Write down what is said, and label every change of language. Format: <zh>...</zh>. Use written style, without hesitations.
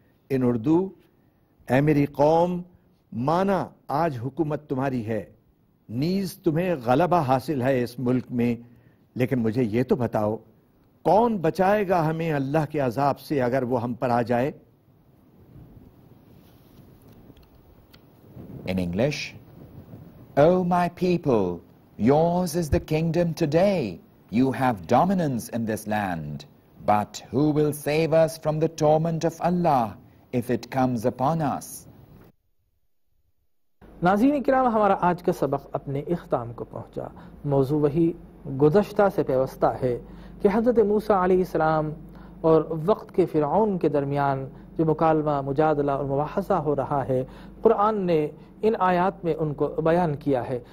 <en>In Urdu,</en> <ur>اے میری قوم، مانا آج حکومت تمہاری ہے، نیز تمہیں غلبہ حاصل ہے اس ملک میں، لیکن مجھے یہ تو بتاؤ، کون بچائے گا ہمیں اللہ کے عذاب سے اگر وہ ہم پر آ جائے؟</ur> <en>In English, O my people, yours is the kingdom today. You have dominance in this land. But who will save us from the torment of Allah if it comes upon us.</en> <ur>ناظرین اکرام، ہمارا آج کا سبق اپنے اختتام کو پہنچا. موضوع وہی گزشتہ سے پیوستہ ہے کہ حضرت موسیٰ علیہ السلام اور وقت کے فرعون کے درمیان جو مکالمہ، مجادلہ اور مباحثہ ہو رہا ہے، قرآن نے ان آیات میں ان کو بیان کیا ہے.</ur>